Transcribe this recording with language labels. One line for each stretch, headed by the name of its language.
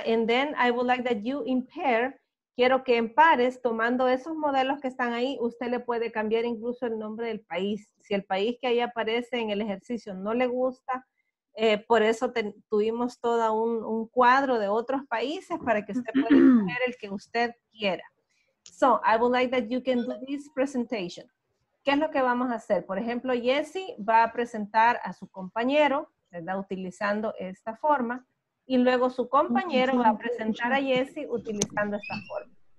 English: And then I would like that you in pair,
Spanish: quiero que en pares, tomando esos modelos que están ahí, usted le puede cambiar incluso el nombre del país. Si el país que ahí aparece en el ejercicio no le gusta, Por eso tuvimos todo un cuadro de otros países para que usted pueda escoger el que usted quiera.
English: So, I would like that you can do this presentation.
Spanish: ¿Qué es lo que vamos a hacer? Por ejemplo, Jesse va a presentar a su compañero, ¿verdad? Utilizando esta forma. Y luego su compañero va a presentar a Jesse utilizando esta forma.